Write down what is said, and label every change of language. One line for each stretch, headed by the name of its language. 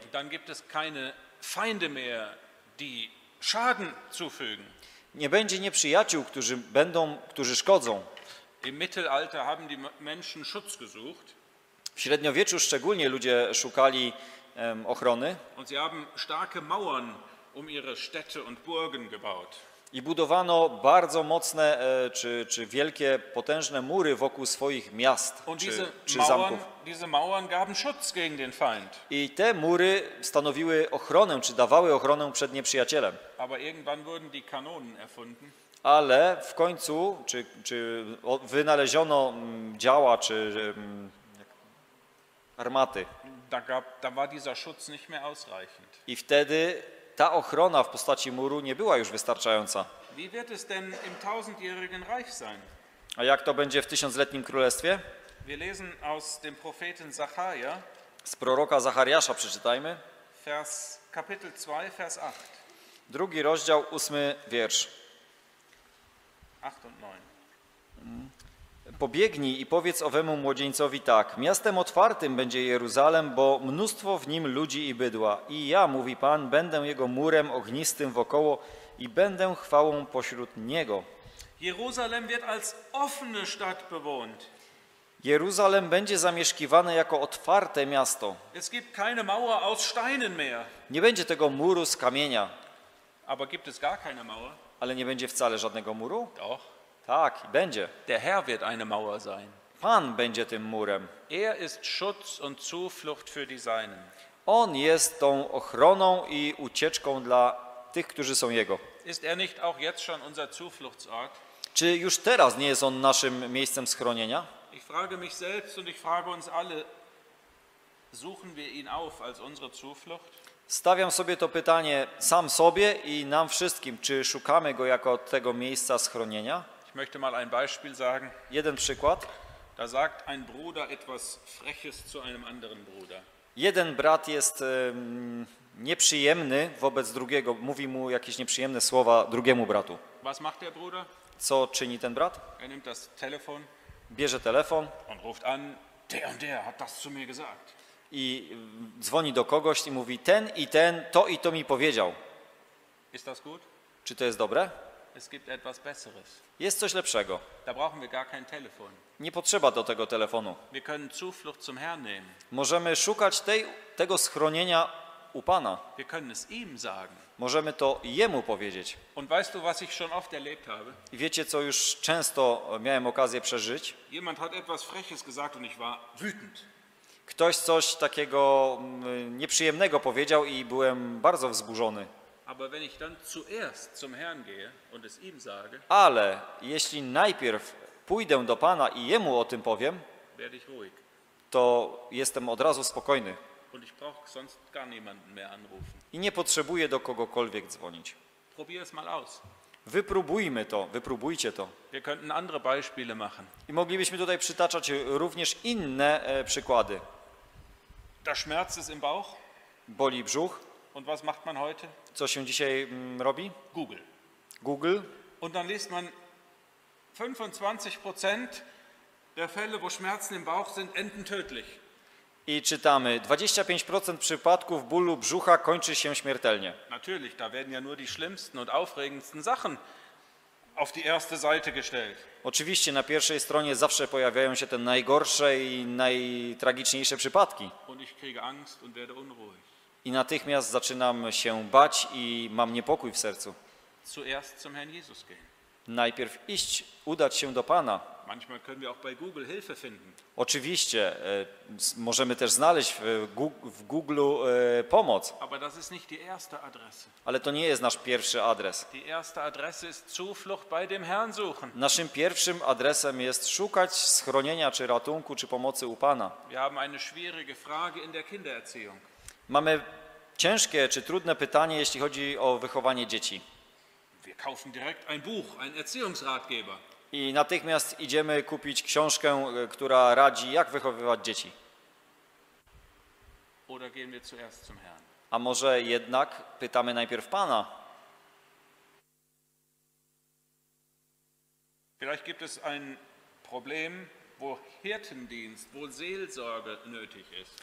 German: Dann gibt es keine Feinde mehr, die Schaden zufügen.
Polish: Nie będzie nieprzyjaciół, którzy szkodzą.
German: Im Mittelalter haben die Menschen Schutz gesucht.
Polish: W średniowieczu szczególnie ludzie szukali ochrony.
German: Und sie haben starke Mauern um ihre Städte und Burgen gebaut.
Polish: I budowano bardzo mocne czy wielkie potężne mury wokół swoich miast czy zamków.
German: Und diese Mauern gaben Schutz gegen den Feind.
Polish: I te mury stanowiły ochronę czy dawały ochronę przed nieprzyjacielem.
German: Aber irgendwann wurden die Kanonen erfunden.
Polish: Ale w końcu czy wynaleziono działa czy armaty.
German: Da war dieser Schutz nicht mehr ausreichend.
Polish: I wtedy ta ochrona w postaci muru nie była już wystarczająca.
German: Wie wird es denn im tausendjährigen Reich sein?
Polish: A jak to będzie w tysiącletnim królestwie?
German: Wir lesen aus dem Propheten Zacharia.
Polish: Z proroka Zachariasza przeczytajmy.
German: Vers, Kapitel 2, Vers 8.
Polish: Drugi rozdział, ósmy wiersz. Pobiegnij i powiedz owemu młodzieńcowi tak. Miastem otwartym będzie Jeruzalem, bo mnóstwo w nim ludzi i bydła. I ja, mówi Pan, będę jego murem ognistym wokoło i będę chwałą pośród niego.
German: Jeruzalem wird als offene Stadt bewohnt.
Polish: Jeruzalem będzie zamieszkiwane jako otwarte miasto.
German: Es gibt keine Mauer aus Steinen mehr.
Polish: Nie będzie tego muru z kamienia.
German: Aber gibt es gar keine Mauer?
Polish: Ale nie będzie wcale żadnego muru?
German: Doch.
Polish: Tak, będzie.
German: Der Herr wird eine Mauer sein.
Polish: Pan będzie tym murem.
German: Er ist Schutz und Zuflucht für die Seinen.
Polish: On jest tą ochroną i ucieczką dla tych, którzy są Jego.
German: Ist er nicht auch jetzt schon unser Zufluchtsort?
Polish: Czy już teraz nie jest on naszym miejscem schronienia?
German: Ich frage mich selbst und ich frage uns alle, suchen wir ihn auf als unsere Zuflucht?
Polish: Stawiam sobie to pytanie sam sobie i nam wszystkim, czy szukamy go jako tego miejsca schronienia?
German: Ich möchte mal ein Beispiel sagen.
Polish: Jeden przykład.
German: Da sagt ein Bruder etwas freches zu einem anderen Bruder.
Polish: Jeden brat jest nieprzyjemny wobec drugiego, mówi mu jakieś nieprzyjemne słowa drugiemu bratu.
German: Was macht der Bruder?
Polish: Co czyni ten brat?
German: Er nimmt das Telefon.
Polish: Bierze telefon.
German: Und ruft an, der und der hat das zu mir gesagt.
Polish: I dzwoni do kogoś i mówi, ten i ten to i to mi powiedział.
German: Ist das gut?
Polish: Czy to jest dobre?
German: Es gibt etwas Besseres.
Polish: Jest coś lepszego.
German: Da brauchen wir gar kein Telefon.
Polish: Nie potrzeba do tego telefonu.
German: Wir können Zuflucht zum Herrn nehmen.
Polish: Możemy szukać tego schronienia u Pana.
German: Wir können es ihm sagen.
Polish: Możemy to Jemu powiedzieć.
German: Und weißt du, was ich schon oft erlebt habe?
Polish: I wiecie, co już często miałem okazję przeżyć?
German: Jemand hat etwas Freches gesagt und ich war wütend.
Polish: Ktoś coś takiego nieprzyjemnego powiedział i byłem bardzo wzburzony.
German: Aber wenn ich dann zuerst zum Herrn gehe und es ihm sage,
Polish: ale jeśli najpierw pójdę do Pana i Jemu o tym powiem,
German: werde ich ruhig.
Polish: To jestem od razu spokojny.
German: Und ich brauche sonst gar niemanden mehr anrufen.
Polish: I nie potrzebuję do kogokolwiek dzwonić.
German: Probier es mal aus.
Polish: Wypróbujmy to, wypróbujcie to.
German: Wir könnten andere Beispiele machen.
Polish: I moglibyśmy tutaj przytaczać również inne przykłady.
German: Der Schmerz ist im Bauch.
Polish: Boli brzuch.
German: Und was macht man heute?
Polish: Co się dzisiaj robi?
German: Google.
Polish: Google.
German: Und dann liest man 25% der Fälle, wo Schmerzen im Bauch sind, enden tödlich.
Polish: I czytamy, 25% przypadków bólu brzucha kończy się śmiertelnie.
German: Natürlich, da werden ja nur die schlimmsten und aufregendsten Sachen auf die erste Seite gestellt.
Polish: Oczywiście, na pierwszej stronie zawsze pojawiają się te najgorsze i najtragiczniejsze przypadki.
German: Und ich kriege Angst und werde unruhig.
Polish: I natychmiast zaczynam się bać i mam niepokój w sercu.
German: Zuerst zum Herrn Jesus gehen.
Polish: Najpierw iść, udać się do Pana.
German: Manchmal können wir auch bei Google Hilfe finden.
Polish: Oczywiście, możemy też znaleźć w Google pomoc.
German: Aber das ist nicht die erste Adresse.
Polish: Ale to nie jest nasz pierwszy adres.
German: Die erste Adresse ist Zuflucht bei dem Herrn suchen.
Polish: Naszym pierwszym adresem jest szukać schronienia, czy ratunku, czy pomocy u Pana.
German: Wir haben eine schwierige Frage in der Kindererziehung.
Polish: Mamy ciężkie czy trudne pytanie, jeśli chodzi o wychowanie dzieci.
German: Wir kaufen direkt ein Buch, ein Erziehungsratgeber.
Polish: I natychmiast idziemy kupić książkę, która radzi, jak wychowywać dzieci.
German: Oder gehen wir zuerst zum Herrn.
Polish: A może jednak pytamy najpierw Pana.
German: Vielleicht gibt es ein Problem, wo Hirtendienst, wo Seelsorge nötig ist.